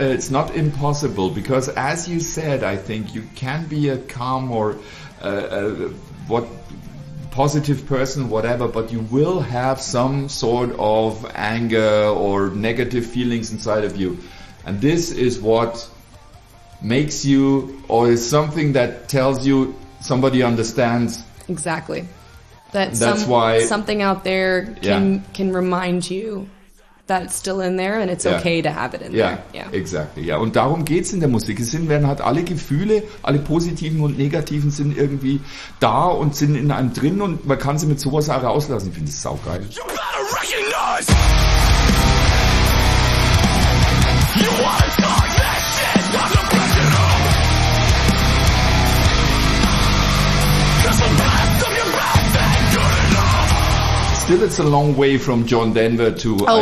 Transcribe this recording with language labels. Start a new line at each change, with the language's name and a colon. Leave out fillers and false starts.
English: It's not impossible, because as you said, I think you can be a calm or what positive person, whatever, but you will have some sort of anger or negative feelings inside of you, and this is what makes you, or is something that tells you somebody understands. Exactly. That's why something out there can remind you that it's still in there and it's okay to have it in there. Yeah, exactly. Yeah.
German: Und darum geht's in der Musik. Es sind, werden halt alle Gefühle, alle positiven und negativen sind irgendwie da und sind in einem drin, und man kann sie mit sowas auch rauslassen. Ich finde das saugeil.
English: You better recognize! You wanna talk that shit? That's impressional! Still, it's a long way from John Denver to